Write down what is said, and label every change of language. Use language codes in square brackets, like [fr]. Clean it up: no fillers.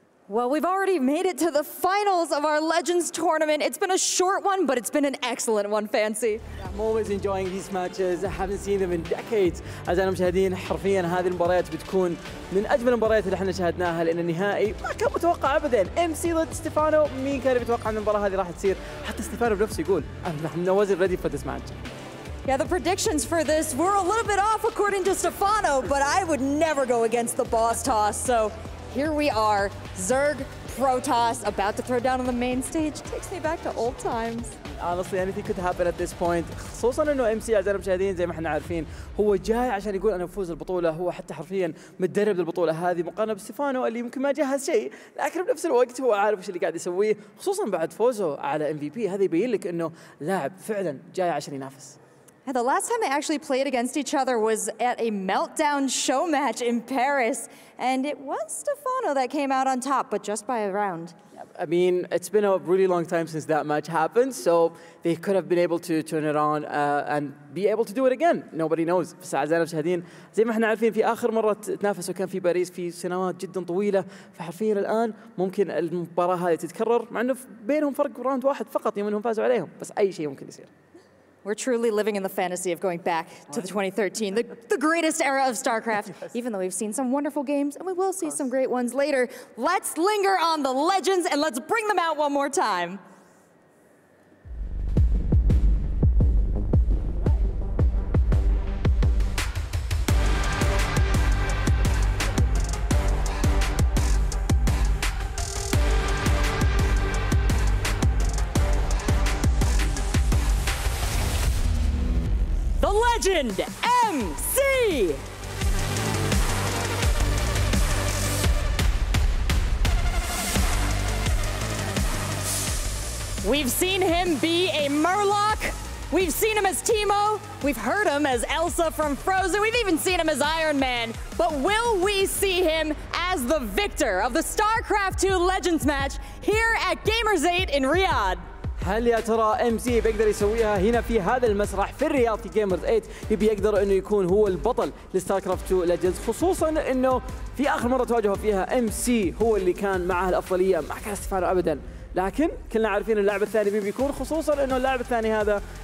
[en] Well, we've already made it to the finals of our Legends Tournament. It's been a short one, but it's been an excellent one, Fancy. I'm always enjoying these matches. I haven't seen them in decades. As I'm watching, [ar] حرفيا هذه المباريات بتكون من أجمل المباريات اللي إحنا شاهدناها لأن النهائي ما كان متوقع أبداً. MC ضد ستيفانو. مين كان بيتوقع أن المباراة هذه راح تصير؟ حتى ستيفانو بنفسه يقول أنا [en] wasn't ready for this match. Yeah, the predictions for this were a little bit off according to Stephano, but I would never go against the Boss Toss. So here we are, Zerg, Protoss, about to throw down on the main stage. Takes me back to old times. Honestly, anything could happen at this point. [ar] خصوصاً إنه MC عزيزي المشاهدين زي ما إحنا عارفين هو جاي عشان يقول أنا بفوز البطولة. هو حتى حرفياً متدرب للبطولة هذه مقارنة بستيفانو اللي يمكن ما جهز شيء. لكن بنفس الوقت هو عارف إيش اللي قاعد يسويه. خصوصاً بعد فوزه على MVP هذا يبين لك إنه لاعب فعلاً جاي عشان ينافس. [en] Yeah, the last time they actually played against each other was at a Meltdown show match in Paris, and it was Stephano that came out on top, but just by a round. Yeah, I mean, it's been a really long time since that match happened, so they could have been able to turn it on and be able to do it again. Nobody knows. [ar] بس أعزائنا المشاهدين زي ما إحنا عارفين في آخر مرة تنافسوا كان في باريس في سنوات جدا طويلة فحرفياً الآن ممكن المباراة هذه تتكرر مع إنه بينهم فرق راوند واحد فقط يوم إنهم فازوا عليهم بس أي شيء ممكن يصير. [en] We're truly living in the fantasy of going back to the 2013, the greatest era of StarCraft, yes. Even though we've seen some wonderful games and we will see some great ones later. Let's linger on the legends and let's bring them out one more time. Legend MC! We've seen him be a Murloc. We've seen him as Teemo. We've heard him as Elsa from Frozen. We've even seen him as Iron Man. But will we see him as the victor of the StarCraft II Legends match here at Gamers8 in Riyadh? [ar] هل يا ترى MC بيقدر يسويها هنا في هذا المسرح في الرياض في جيمرز 8 يبي يقدر انه يكون هو البطل لستاركرافت 2 ليجندز خصوصا انه في اخر مره تواجهوا فيها MC هو اللي كان معه الافضليه ما كان استفانو ابدا لكن كلنا عارفين اللاعب الثاني مين بيكون خصوصا انه اللاعب الثاني هذا